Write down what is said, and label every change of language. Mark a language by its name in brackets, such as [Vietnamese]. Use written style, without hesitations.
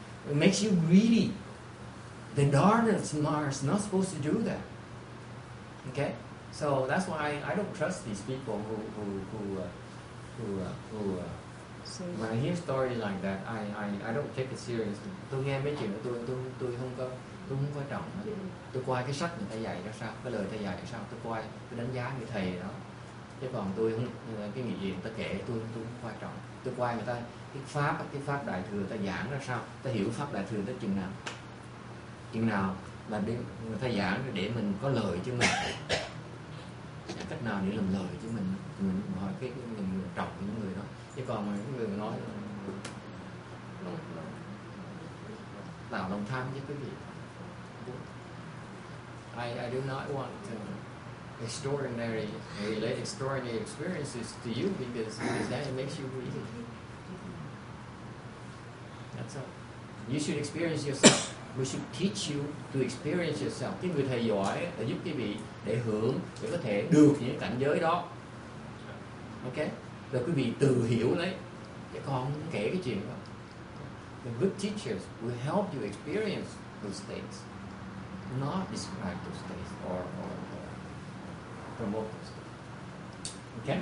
[English] It makes you greedy. The Dharma smart is not supposed to do that. Okay, so that's why I don't trust these people who when I hear stories like that, I don't take it seriously. [Vietnamese] Tôi nghe mấy chuyện tôi không quan trọng. Tôi coi cái sách người ta dạy ra sao, cái lời thầy dạy ra sao, tôi đánh giá người thầy đó. Chứ còn tôi không, cái nghĩa gì người ta kể tôi không quan trọng. Tôi coi người ta cái pháp đại thừa ta giảng ra sao, ta hiểu pháp đại thừa tới chừng nào. Chừng nào và để người ta giảng để mình có lời cho mình, giảng cách nào để làm lời cho mình, mình hỏi cái mình trọng những người đó. Chứ còn mà những người nói là tạo lòng tham với quý vị. [English] I do not want to extraordinary relate extraordinary experiences to you because that makes you weak. That's all. You should experience yourself. We should teach you to experience yourself. [Vietnamese] Cái người thầy giỏi là giúp quý vị để hưởng, để có thể được những cảnh giới đó. Ok? Rồi quý vị tự hiểu lấy. Chứ con không kể cái chuyện đó. [English] The good teachers will help you experience those things, not describe those things or promote those things.